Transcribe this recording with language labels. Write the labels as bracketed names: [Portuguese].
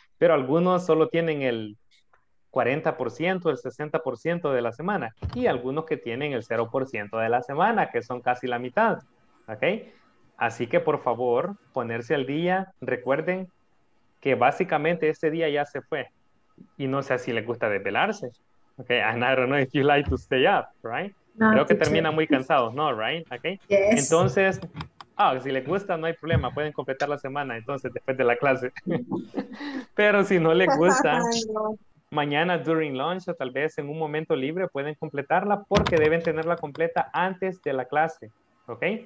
[Spanish] Pero algunos solo tienen el 40%, el 60% de la semana, y algunos que tienen el 0% de la semana, que son casi la mitad, ¿ok? Así que, por favor, ponerse al día, recuerden que básicamente este día ya se fue, y no sé si les gusta desvelarse, ¿ok? [English] And I don't know if you like to stay up, right? [Spanish] No, creo que termina muy cansado, ¿no? [English] Right? [Spanish] ¿Ok? [English] Yes. [Spanish] Entonces, si les gusta, no hay problema, pueden completar la semana, entonces, después de la clase. Pero si no les gusta... mañana [English] during lunch [Spanish] o tal vez en un momento libre pueden completarla porque deben tenerla completa antes de la clase, ¿ok?